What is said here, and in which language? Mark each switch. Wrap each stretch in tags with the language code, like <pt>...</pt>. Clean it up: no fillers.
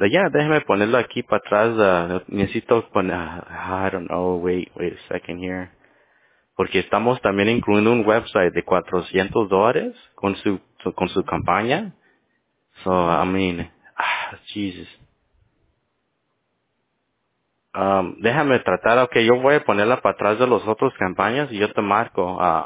<es>Déjeme ponerlo aquí para atrás. Necesito poner, I don't know, wait a second here. Porque estamos también incluyendo un website de $400 con su campaña.</es> <en>So, Jesus.</en> <es>Déjame tratar, ok, yo voy a ponerla para atrás de los otros campañas y yo te marco.</es>